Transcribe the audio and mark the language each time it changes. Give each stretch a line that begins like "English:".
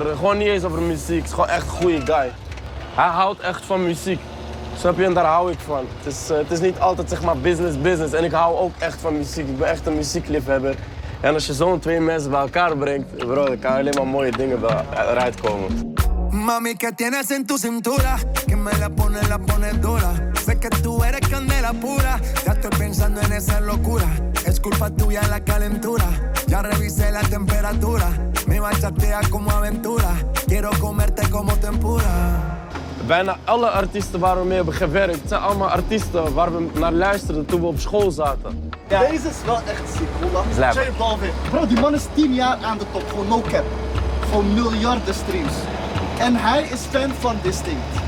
Dutch: Gewoon niet eens over muziek, het is gewoon echt een goede guy. Hij houdt echt van muziek. Snap je? En daar hou ik van. Het is niet altijd zeg maar business, business. En ik hou ook echt van muziek. Ik ben echt een muziekliefhebber. En als je zo'n twee mensen bij elkaar brengt, bro, dan kan alleen maar mooie dingen eruit komen.
Spanish: Mami, que tienes en tu cintura, que me la pone dura. Sé que tú eres candela pura, ya estoy pensando en esa locura. Es culpa tuya la calentura, ya revisé la temperatura. Me machatea como aventura, quiero comerte como tempura.
Dutch: Bijna alle artiesten waar we mee hebben gewerkt, het zijn allemaal artiesten waar we naar luisterden toen we op school zaten. Ja. Deze is wel echt ziek, hoor. Lijp. Bro, die man is 10 jaar aan de top, gewoon
English: no cap.
Dutch: Gewoon miljarden streams. En hij is fan van Distinct.